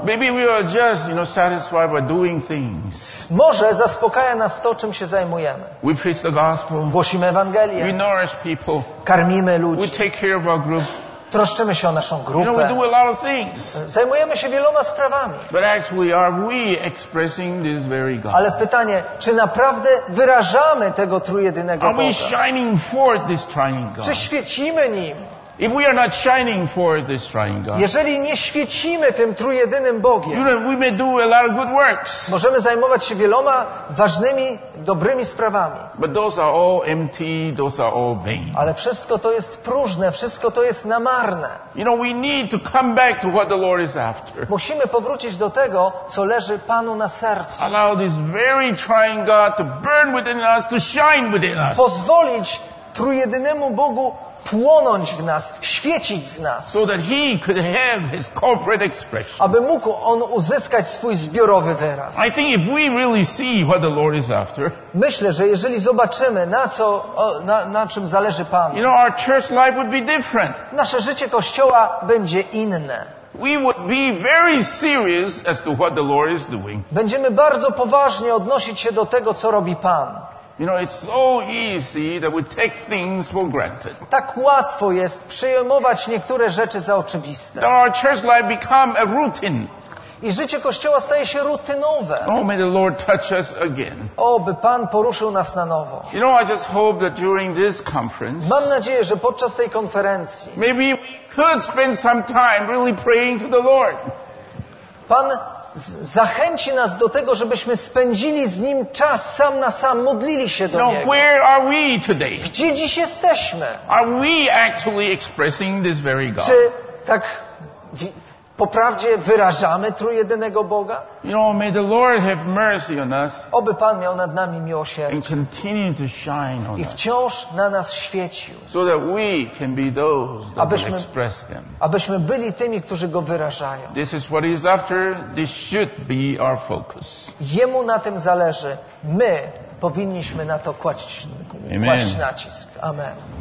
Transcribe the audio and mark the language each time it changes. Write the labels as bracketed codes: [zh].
[en] maybe we are just, you know, satisfied by doing things. [pl] Może zaspokaja nas to, czym się zajmujemy. [en] We preach the gospel. [pl] Głosimy Ewangelię. [en] We nourish people. [pl] Karmimy ludzi. [en] We take care of our group. [pl] Troszczymy się o naszą grupę. [en] You know, we do a lot of things. [pl] Zajmujemy się wieloma sprawami. [en] But actually, are we expressing this very God? [pl] Ale pytanie, czy naprawdę wyrażamy tego trójjedynego Boga? [en] Are we shining forth this triune God? [pl] Czy świecimy Nim? [en] If we are not shining forth this triune God, [pl] jeżeli nie świecimy tym trójjedynym Bogiem, [en] you know, we may do a lot of good works. [pl] Możemy zajmować się wieloma ważnymi, dobrymi sprawami. [en] But those are all empty, those are all vain. [pl] Ale wszystko to jest próżne, wszystko to jest na marne. [en] You know, we need to come back to what the Lord is after. [pl] Musimy powrócić do tego, co leży Panu na sercu. [en] Allow this very triune God to burn within us, to shine within us. [pl] Pozwolić trójjedynemu Bogu płonąć w nas, świecić z nas. [en] So that he could have his corporate expression. [pl] Aby mógł on uzyskać swój zbiorowy wyraz. [en] I think if we really see what the Lord is after. [pl] Myślę, że jeżeli zobaczymy, na co, na czym zależy Panu. [en] You know, our church life would be different. [pl] Nasze życie Kościoła będzie inne. [en] We would be very serious as to what the Lord is doing. [pl] Będziemy bardzo poważnie odnosić się do tego, co robi Pan. [en] You know, it's so easy that we take things for granted. [pl] Tak łatwo jest przyjmować niektóre rzeczy za oczywiste. [en] That our church life become a routine. [pl] I życie Kościoła staje się rutynowe. [en] Oh, may the Lord touch us again. [pl] O, by Pan poruszył nas na nowo. [en] You know, I just hope that during this conference. [pl] Mam nadzieję, że podczas tej konferencji. [en] Maybe we could spend some time really praying to the Lord. [pl] Pan zachęci nas do tego, żebyśmy spędzili z Nim czas sam na sam, modlili się do Niego. [en] Where are we today? [pl] Gdzie dziś jesteśmy? [en] Are we actually expressing this very God? [pl] Czy tak po prawdzie wyrażamy trójjedynego Boga? [en] You know, may the Lord have mercy on us. [pl] Oby Pan miał nad nami miłosierdzie. [en] And continue to shine on us. [pl] I wciąż na nas świecił. [en] So that we can be those that will express Him. [pl] Abyśmy byli tymi, którzy Go wyrażają. [en] This is what He is after. This should be our focus. [pl] Jemu na tym zależy. My powinniśmy na to kłaść nacisk. Amen.